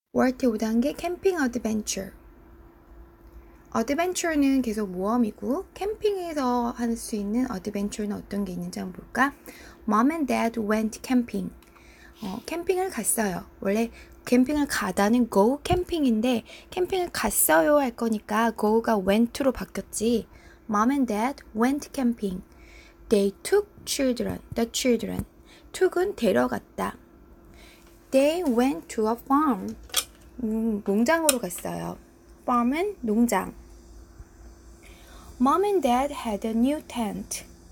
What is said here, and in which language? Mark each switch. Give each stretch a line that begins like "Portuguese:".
Korean: 월트 5단계 캠핑 어드벤처. 어드벤처는 계속 모험이고 캠핑에서 할 수 있는 어드벤처는 어떤 게 있는지 한번 볼까?
English: Mom and Dad went camping.
Korean: 캠핑을 갔어요. 원래 캠핑을 가다는 go 캠핑인데 캠핑을 갔어요 할 거니까 go가 went로 바뀌었지.
English: Mom and Dad went camping. They took children. The children.
Korean: Took은 데려갔다.
English: They went to a farm.
Korean: 농장으로 갔어요. Farm은 농장.
English: Mom and Dad had a new tent.